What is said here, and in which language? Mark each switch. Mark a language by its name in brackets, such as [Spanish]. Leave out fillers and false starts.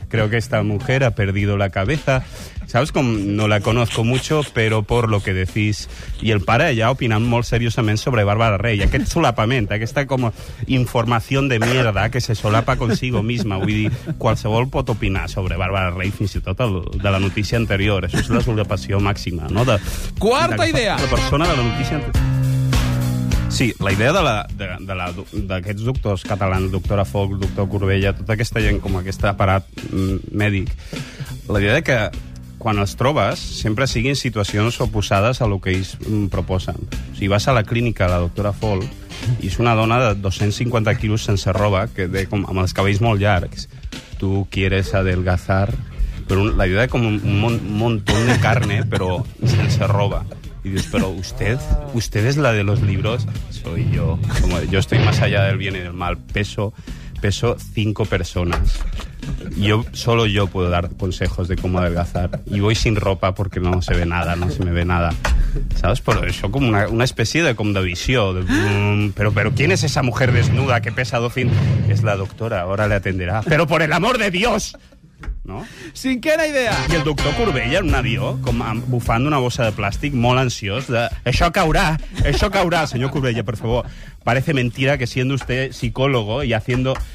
[Spanish] Creo que esta mujer ha perdido la cabeza. [Catalan] Saps com? [Spanish] No la conozco mucho, pero por lo que decís. [Catalan] I el pare ja opinant molt seriosament sobre Bárbara Rey. Aquest solapament, aquesta com informació de [Spanish] mierda que se solapa consigo misma. [Catalan] Vull dir, qualsevol pot opinar sobre Bárbara Rey, fins i tot de la notícia anterior. Això és la solapació màxima, no? Quarta idea! La persona de la notícia anterior. Sí, la idea d'aquests doctors catalans, doctora Folch, doctor Corbella, tota aquesta gent com aquest aparat mèdic, la idea de que quan els trobes, sempre siguin situacions oposades a el que ells proposen. O sigui, vas a la clínica, la doctora Fall, i és una dona de 250 quilos sense roba, que de, com, amb els cabells molt llargs. [Spanish] Tu quieres adelgazar, [Catalan] però la idea és com un munt de carne, però sense roba. [Spanish] Y dices, pero usted es la de los libros, soy yo. Como yo estoy más allá del bien y del mal. Peso 5 personas. Yo, solo yo puedo dar consejos de cómo adelgazar. Y voy sin ropa porque no se ve nada, no se me ve nada. ¿Sabes? Pero eso como una especie de como de visión. De, pero ¿quién es esa mujer desnuda que pesa 200? Es la doctora, ahora le atenderá. ¡Pero por el amor de Dios! ¿No? [Catalan] Cinquena idea. I el doctor Corbella en un avió, com bufant una bossa de plàstic, molt ansiós, de això caurà, senyor Corbella, per favor. [Spanish] Parece mentira que siendo usted psicólogo y haciendo...